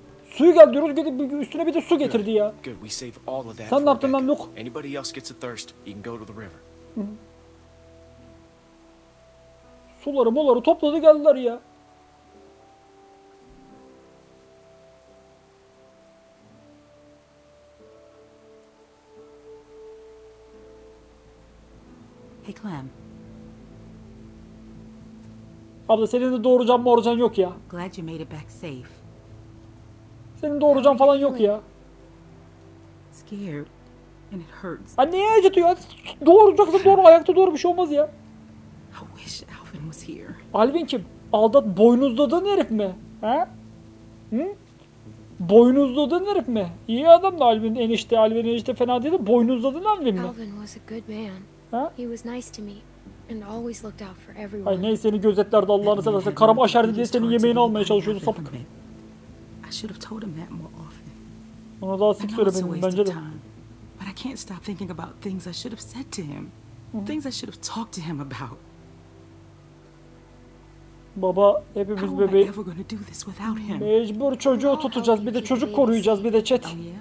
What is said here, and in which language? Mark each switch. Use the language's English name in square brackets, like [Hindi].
[Turkish] Suyu geldiriyoruz gidip üstüne bir de su getirdi ya. [English] Good. We save all of that. [Turkish] Sen ne yaptın lan Luke? [English] Anybody else gets a thirst, you can go to the river. [Turkish] Suları moları topladı geldiler ya. [English] Hey Clem. [Turkish] Abla senin de doğuracan moracan yok ya. [English] Glad you made it back safe. [Turkish] Senin doğuracan falan yok ya. [English] Scared and it hurts. [Turkish] Ne acıtıyor? Doğuracaksın doğru ayakta doğru bir şey olmaz ya. [English] I wish Alvin was here. [Turkish] Alvin kim? Aldat boynuzladığın herif mi? He? Hı? Boynuzladığın herif mi? İyi adam da Alvin enişte. Alvin enişte fena değil de boynuzladığın Alvin mi? [English] Alvin was a good man. He was nice to me and always looked out for everyone. [Turkish] Ay neyse seni gözetlerdi Allah'ını seversen. Karama aşerdi diye senin yemeğini almaya çalışıyordu sapık. [English] I should have told him that more often. [Turkish] Ona daha sık söylemeliyim bence de. [English] But I can't stop thinking about things I should have said to him. Things I should have talked to him about. [Turkish] Baba hepimiz bebeği mecbur çocuğu tutacağız bir de çocuk koruyacağız bir de chat.